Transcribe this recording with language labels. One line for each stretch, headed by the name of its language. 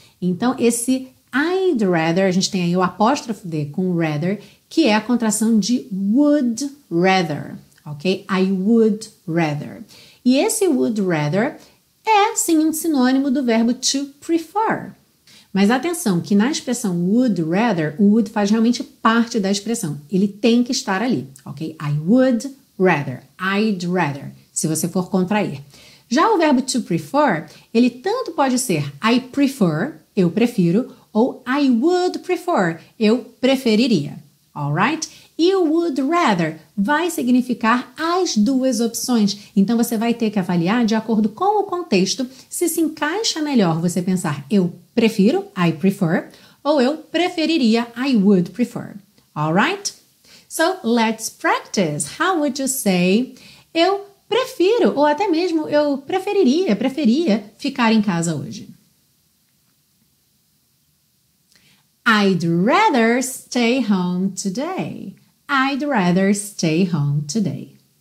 Portuguese: Então, esse I'd rather, a gente tem aí o apóstrofo D com rather, que é a contração de would rather, ok?
English: I would rather.
Portuguese: E esse would rather é, sim, um sinônimo do verbo to prefer. Mas atenção, que na expressão would rather, o would faz realmente parte da expressão. Ele tem que estar ali, ok?
English: I would rather, I'd rather,
Portuguese: se você for contrair. Já o verbo to prefer, ele tanto pode ser I prefer, eu prefiro, ou
English: I would prefer,
Portuguese: eu preferiria, alright? E o would rather vai significar as duas opções. Então, você vai ter que avaliar de acordo com o contexto se se encaixa melhor você pensar eu prefiro, I prefer, ou eu preferiria,
English: I would prefer.
Portuguese: All right?
English: So, let's practice. How would you say
Portuguese: eu prefiro, ou até mesmo eu preferia ficar em casa hoje?
English: I'd rather stay home today. I'd rather stay home today.